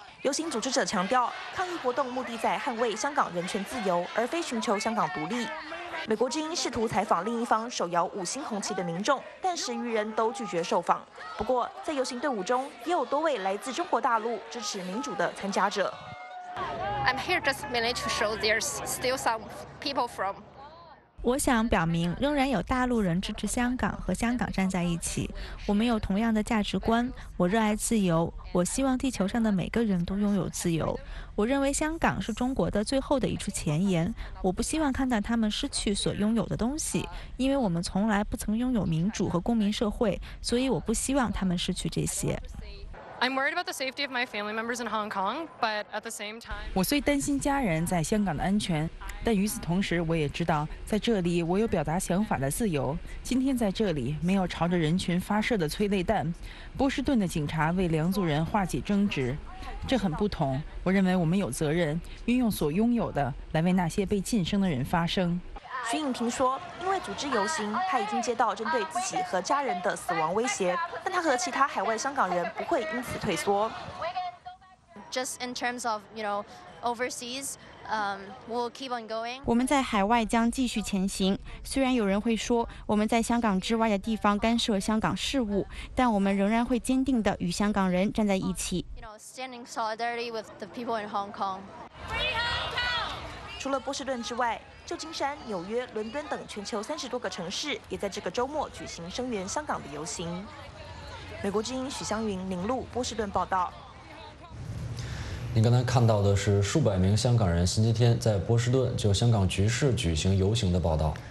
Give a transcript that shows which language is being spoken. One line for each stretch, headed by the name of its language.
Chinese: 游行组织者强调，抗议活动目的在捍卫香港人权自由，而非寻求香港独立。美国之音试图采访另一方手摇五星红旗的民众，但十余人都拒绝受访。不过在游行队伍中也有多位来自中国大陆支持民主的参加者。
English: I'm here just mainly to show there's still some people from
Chinese: 我想表明仍然有大陆人支持香港和香港站在一起，我们有同样的价值观，我热爱自由，我希望地球上的每个人都拥有自由。我认为香港是中国的最后的一处前沿，我不希望看到他们失去所拥有的东西，因为我们从来不曾拥有民主和公民社会，所以我不希望他们失去这些。
English: I'm worried about the safety of my family members in Hong Kong, but at the same time,
Chinese: 我虽担心家人在香港的安全，但与此同时，我也知道在这里我有表达想法的自由。今天在这里没有朝着人群发射的催泪弹，波士顿的警察为两组人化解争执，这很不同。我认为我们有责任运用所拥有的来为那些被禁声的人发声。徐颖婷说，因为组织游行，她已经接到针对自己和家人的死亡威胁，但她和其他海外香港人不会因此退缩。
English: Just in terms of, you know, overseas, we'll keep on going.
Chinese: 我们在海外将继续前行。虽然有人会说我们在香港之外的地方干涉香港事务，但我们仍然会坚定地与香港人站在一起。
English: You know, standing solidarity with the people in Hong Kong. Free Hong Kong.
Chinese: 除了波士顿之外，旧金山、纽约、伦敦等全球三十多个城市也在这个周末举行声援香港的游行。美国之音许湘云、林璐，波士顿报道。您刚才看到的是数百名香港人星期天在波士顿就香港局势举行游行的报道。